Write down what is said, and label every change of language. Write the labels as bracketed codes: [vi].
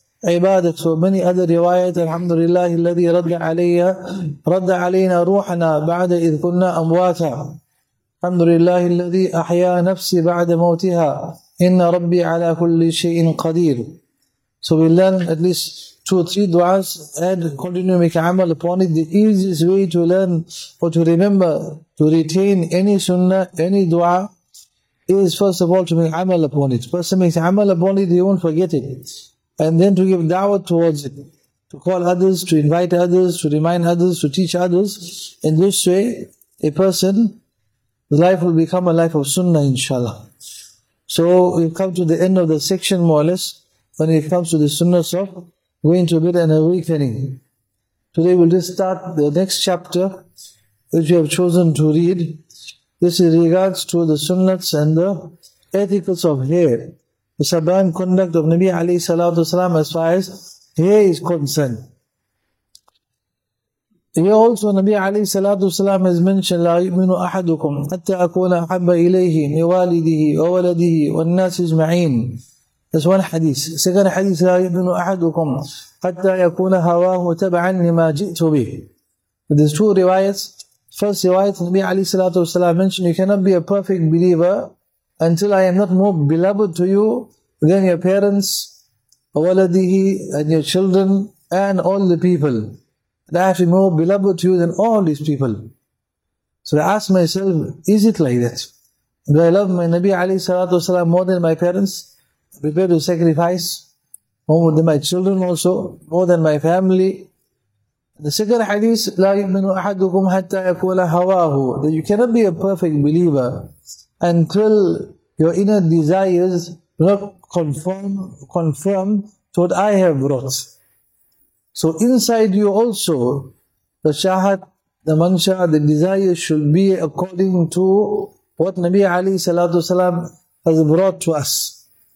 [ar] عبادك ومن أدر رواية الحمد لله الذي رد علي رد علينا روحنا بعد إذ كنا أمواتا الحمد لله الذي أحيا نفسي بعد موتها إن ربي على كل شيء قدير. [en] So we learn at least 2 or 3 du'as and continue to make amal upon it. The easiest way to learn or to remember to retain any sunnah, any du'a, is first of all to make amal upon it. First to make amal upon it, you won't forget it. And then to give da'wah towards it, to call others, to invite others, to remind others, to teach others. In this way, a person's life will become a life of sunnah, inshallah. So we've come to the end of the section more or less, when it comes to the sunnahs of going to bed and awakening. Today we'll just start the next chapter, which we have chosen to read. This is regards to the sunnahs and the ethics of hair. The sublime conduct of Nabi alayhi salatu wasalam as far as hair is concerned. Here also Nabi alayhi salatu wasalam has mentioned, [ar] لا يؤمن أحدكم حتى أكون أحب إليه من والده وولده والناس أجمعين. [en] This one hadith. Second hadith, [ar] لا يؤمن أحدكم حتى يكون هواه تبعا لما جئت به. [en] There's two riwayats. First riwayat, Nabi عليه الصلاة والسلام mentioned, you cannot be a perfect believer until I am not more beloved to you than your parents, [ar] وَلَدِهِ [en] and your children, and all the people. And I have to be more beloved to you than all these people. So I ask myself, is it like that? Do I love my Nabi عليه الصلاة والسلام more than my parents? Prepare to sacrifice more than my children also, more than my family. The second hadith, [ar] لَا يُؤْمِنُ أَحَدُكُمْ حَتَّى يَكُولَ هَوَاهُ. [en] That you cannot be a perfect believer until your inner desires do not conform to what I have brought. So inside you also, the shahat, the mansha, the desire should be according to what Nabi Ali Salatu Salam has brought to us.